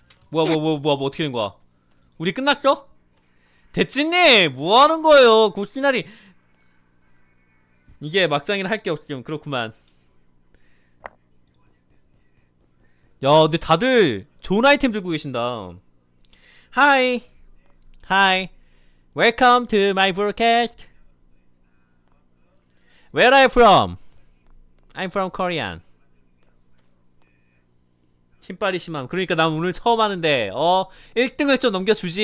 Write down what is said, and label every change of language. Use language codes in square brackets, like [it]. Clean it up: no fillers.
[ko] 뭐야, 어떻게 된 거야? 우리 끝났어? 대치님, 뭐 하는 거예요, 고시나리. 이게 막장이라 할 게 없음, 그렇구만. 야, 근데 다들 좋은 아이템 들고 계신다. [en] Hi. Hi. Welcome to my broadcast. Where are you from? I'm from Korean. [ko] 신발이 심함. 그러니까 난 오늘 처음 하는데, 어? 1등을 좀 넘겨주지.